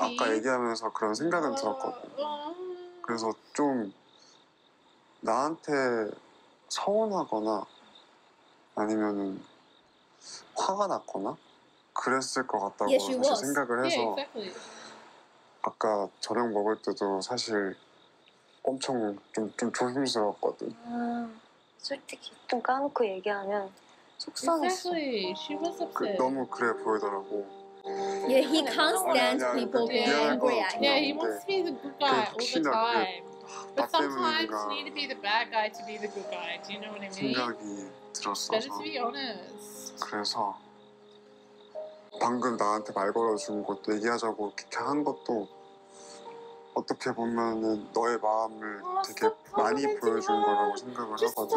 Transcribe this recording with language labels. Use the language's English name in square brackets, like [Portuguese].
[Korean] 아까 얘기하면서 그런 생각은 들었거든. 그래서 좀 나한테 서운하거나 아니면 화가 났거나 그랬을 것 같다고 [English] yeah, [Korean] 사실 생각을 해서 [English] yeah, exactly. [Korean] 아까 저녁 먹을 때도 사실 엄청 좀 조심스러웠거든. 솔직히 좀 까놓고 얘기하면 속상했어. [English] Exactly. She was upset. [Korean] 너무 그래 보이더라고. [English] Yeah, he can't stand people being angry at him. Yeah, he wants to be the good guy all the time. But sometimes you need to be the bad guy to be the good guy. Do you know what I mean? [Korean] 생각이 들었어서. [English] Better to be honest. [Korean] 그래서 방금 나한테 말 걸어준 것도 얘기하자고 이렇게 한 것도 어떻게 보면은 너의 마음을 되게 많이 보여준 거라고 생각을 하거든.